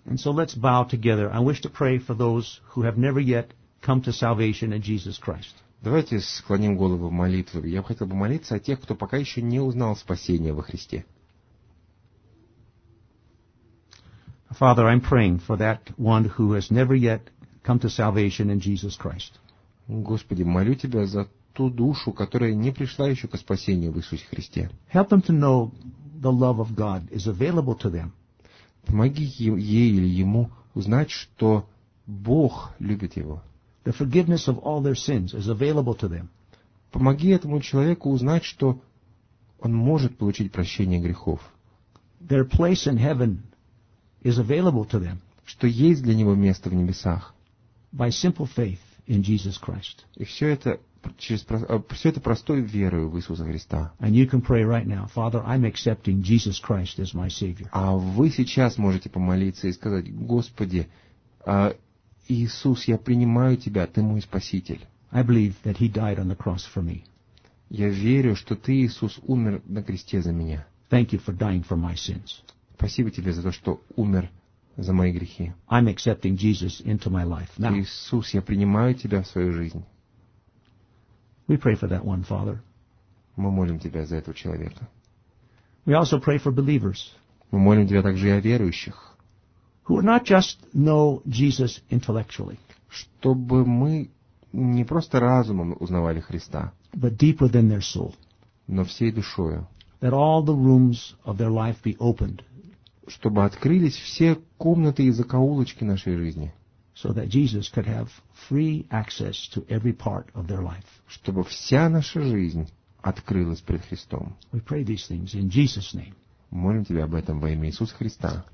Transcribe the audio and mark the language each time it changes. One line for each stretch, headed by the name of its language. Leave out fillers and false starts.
English: And so let's bow together. I wish to pray for those who have never yet come to salvation in Jesus Christ.
Russian: Давайте склоним голову в молитве. Я бы хотел помолиться о тех, кто пока еще не узнал спасения во Христе.
English: Father, I'm praying for that one who has never yet come to salvation in Jesus Christ.
Russian: Господи, молю Тебя за ту душу, которая не пришла еще ко спасению в Иисусе Христе.
English: Help them to know the love of God is available to them.
Russian: Помоги ей или ему узнать, что Бог любит его.
English: The forgiveness of all their sins is available to them.
Russian: Помоги этому человеку узнать, что он может получить прощение грехов.
English: Their place in heaven is available to them.
Russian: Что есть для него место в небесах.
English: By simple faith in Jesus Christ.
Russian: И все это через все это простой верой в Иисуса Христа.
English: And you can pray right now, Father, I'm accepting Jesus Christ as my Savior.
Russian: А вы сейчас можете помолиться и сказать, Господи, Иисус, я принимаю Тебя, Ты мой Спаситель.
English: I believe that He died on the cross for me.
Russian: Я верю, что Ты, Иисус, умер на кресте за меня.
English: Thank you for dying for my sins.
Russian: Спасибо Тебе за то, что умер за мои грехи.
English: I'm accepting Jesus into my life now.
Russian: Иисус, я принимаю Тебя в свою жизнь.
English: We pray for that one, Father.
Russian: Мы молим Тебя за этого человека.
English: We also pray for believers.
Russian: Мы молим Тебя также и о верующих.
English: Who would not just know Jesus intellectually.
Russian: Чтобы мы не просто разумом узнавали Христа.
English: But deeper than their soul.
Russian: Но всей душою.
English: That all the rooms of their life be opened.
Russian: Чтобы открылись все комнаты и закоулочки нашей жизни.
English: So that Jesus could have free access to every part of their life.
Russian: Чтобы вся наша жизнь открылась пред Христом.
English: We pray these things in Jesus' name.
Russian: Молим Тебя об этом во имя Иисуса Христа.